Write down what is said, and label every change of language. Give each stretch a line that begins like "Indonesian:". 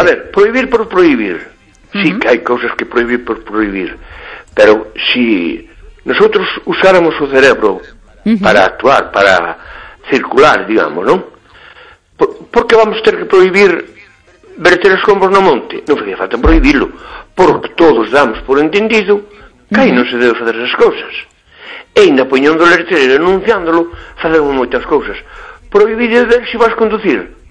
Galician: A ver, prohibir por prohibir. Sí que hai cousas que prohibir por prohibir.
Spanish: Pero si nosotros usáramos o cerebro para actuar, para circular, digamos, ¿no?
Galician: ¿Por qué vamos a ter que prohibir verter os escombros no monte? Non facía falta prohibirlo, porque todos damos por entendido que aí non se debe fazer esas cousas. E ainda poñendo o letreiro e anunciándolo, facemos moitas cousas. Prohibir é ver se vas conducir.